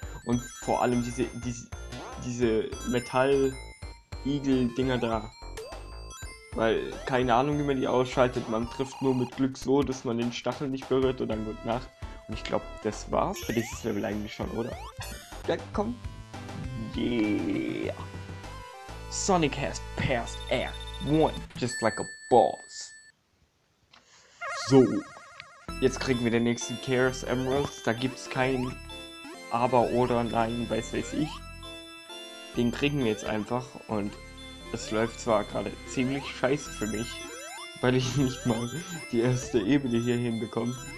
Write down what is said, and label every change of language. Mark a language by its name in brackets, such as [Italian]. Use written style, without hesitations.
[German] Und vor allem diese Metall-Igel-Dinger da. Weil, keine Ahnung, wie man die ausschaltet, man trifft nur mit Glück so, dass man den Stachel nicht berührt und dann gut nach. Und ich glaube, das war's für dieses Level eigentlich schon, oder? Ja, komm. [English] Yeah. Sonic has passed air one, just like a boss. So. [German] Jetzt kriegen wir den nächsten Chaos Emerald. Da gibt's kein Aber oder Nein, weiß ich. Den kriegen wir jetzt einfach und es läuft zwar gerade ziemlich scheiße für mich, weil ich nicht mal die erste Ebene hier hinbekomme.